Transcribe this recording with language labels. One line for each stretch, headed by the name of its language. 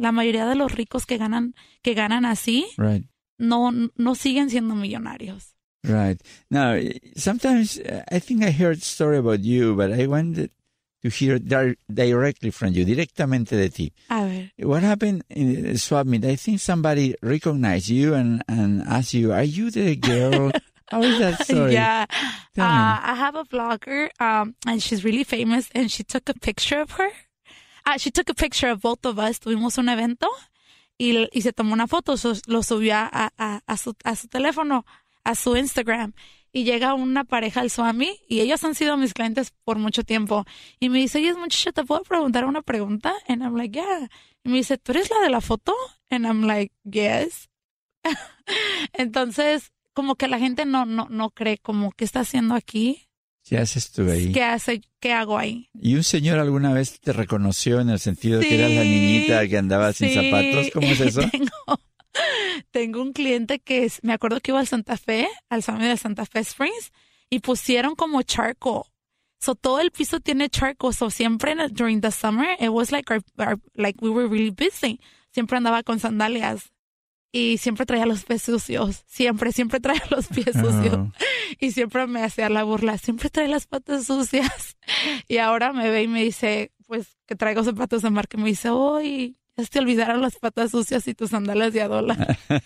Spanish: La mayoría de los ricos que ganan así,
English: Right.
Spanish: no siguen siendo millonarios.
English: Right. Now, sometimes I think I heard a story about you, but I wanted to hear directly from you,
Spanish: directamente de ti. A ver.
English: What happened in the swap meet? I think somebody recognized you and asked you, "Are you the girl? How is that story? Yeah. Tell me." I have a blogger, and she's really famous, and she took a picture of her. She took a picture of both of us.
Spanish: Tuvimos un evento y se tomó una foto, lo subió a su teléfono, a su Instagram. Y llega una pareja al swami y ellos han sido mis clientes por mucho tiempo. Y me dice, oye, muchacha, ¿te puedo preguntar una pregunta?
English: And I'm like, yeah.
Spanish: Y me dice, ¿tú eres la de la foto?
English: And I'm like, yes.
Spanish: Entonces, como que la gente no cree, como, ¿qué está haciendo aquí? ¿Qué haces tú ahí? ¿Qué hago ahí? ¿Y un señor alguna vez te reconoció en el sentido de que eras la niñita Sí, que andaba sin zapatos? ¿Cómo es eso? tengo un cliente que es, me acuerdo que iba al Santa Fe, al swami de Santa Fe Springs, y pusieron como charco. So todo el piso tiene charco.
English: So siempre during the summer, it was like like we were really busy.
Spanish: Siempre andaba con sandalias y siempre traía los pies sucios. Siempre, siempre traía los pies sucios. Y siempre me hacía la burla. Siempre trae las patas sucias. Y ahora me ve y me dice, pues que traigo zapatos de marca. Y me dice, uy. Te olvidaron las patas sucias y tus sandalias de a dólar.